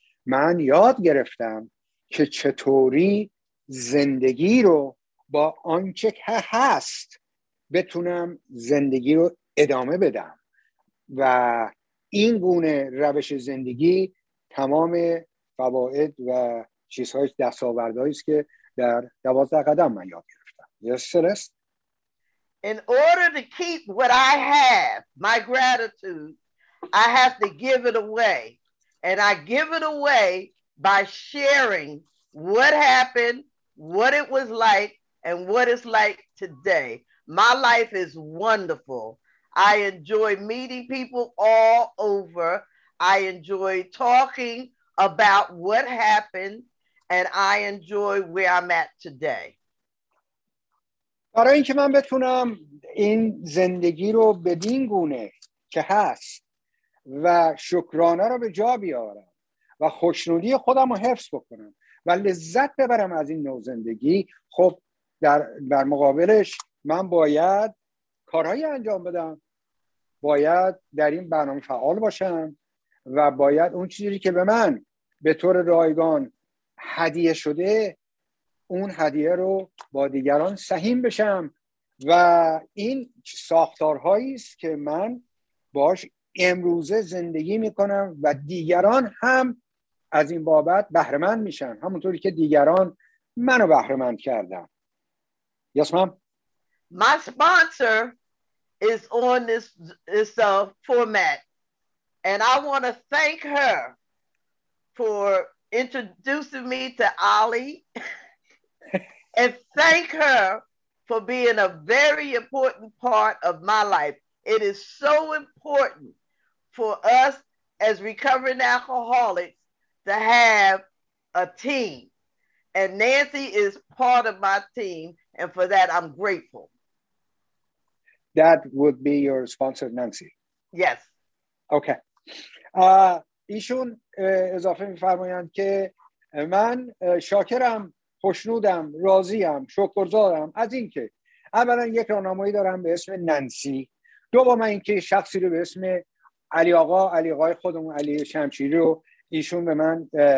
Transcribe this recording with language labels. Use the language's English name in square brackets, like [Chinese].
[Persian] من یاد گرفتم که چطوری زندگی رو با آنچه که هست بتونم زندگی رو ادامه بدم و این گونه روش زندگی تمام فواید و چیزهای دستاوردهاییست که در 12 قدم من یاد گرفتم. [English] Yes, Celeste. In order to keep what I have, my gratitude, I have to give it away. And I give it away by sharing what happened, what it was like, and what it's like today. My life is wonderful. I enjoy meeting people all over. I enjoy talking about what happened. And I enjoy where I'm at today. [Persian] برای اینکه من بتونم این زندگی رو بدین گونه که هست و شکرانه رو به جا بیارم و خوشنودی خودم رو حفظ بکنم و لذت ببرم از این نوع زندگی، خب در مقابلش من باید کارهایی انجام بدم، باید در این برنامه فعال باشم و باید اون چیزی که به من به طور رایگان هدیه شده اون هدیه رو با دیگران سهیم بشم. و این ساختارهایی است که من باش امروزه زندگی میکنم و دیگران هم از این بابت بهره مند میشن، همونطوری که دیگران منو بهره مند کردن. [English] Yes, ma'am. My sponsor is on this format, and I want to thank her for introducing me to Ali and thank her for being a very important part of my life. It is so important for us as recovering alcoholics to have a team, and Nancy is part of my team. And for that, I'm grateful. That would be your sponsor, Nancy. Yes. Okay. [Persian] ایشون اضافه می‌فرمایند که من شاکرم، خوشنودم، راضیم، شکرگزارم از اینکه اولا یک راهنمایی دارم به اسم نانسی، دوما اینکه شخصی رو به اسم علی آقا، علی آقای خودمون علی شمشیری رو ایشون به من